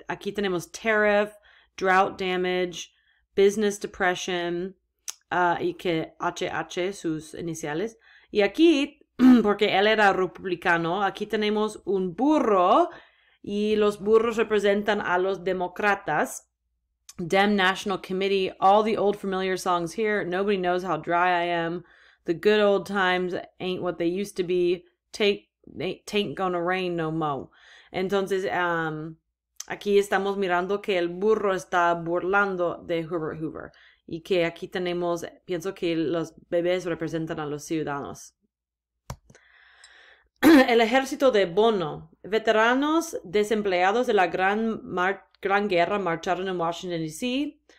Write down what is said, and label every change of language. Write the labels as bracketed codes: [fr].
[es] Aquí tenemos tariff, drought damage, business depression, y que HH, sus iniciales. Y aquí, porque él era republicano, aquí tenemos un burro y los burros representan a los demócratas. [en] Dem National Committee, all the old familiar songs here. Nobody knows how dry I am. The good old times ain't what they used to be. Tain't gonna rain no mo. [es] Entonces, aquí estamos mirando que el burro está burlando de Herbert Hoover y que aquí tenemos, pienso que los bebés representan a los ciudadanos. El ejército de Bono. Veteranos desempleados de la Gran Guerra marcharon en Washington, D.C.